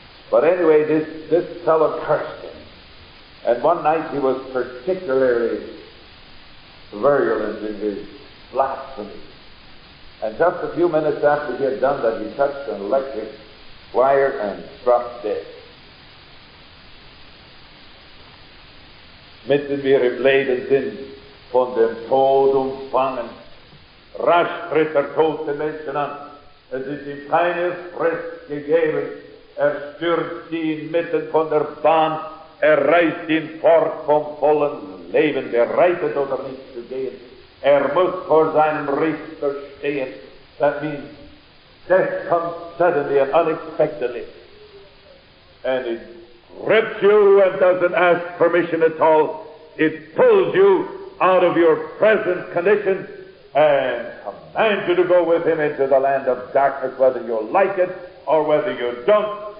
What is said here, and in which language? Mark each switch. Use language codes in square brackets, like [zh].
[en] But anyway, this fellow cursed him. And one night he was particularly virulent in his blasphemy. And just a few minutes after he had done that, he touched an electric wire and struck dead. [de] Mitten wir im Leben sind, von dem Tod umfangen, rasch tritt der Tod den Menschen an. Es ist ihm keine Frist gegeben. Stürzt ihn mitten von der Bahn. Reißt ihn fort vom vollen Leben. Bereitet oder nicht zu gehen. Muss vor seinem Richter stehen. [en] That means death comes suddenly and unexpectedly. And it grips you and doesn't ask permission at all. It pulls you out of your present condition and commands you to go with him into the land of darkness, whether you like it or whether you don't.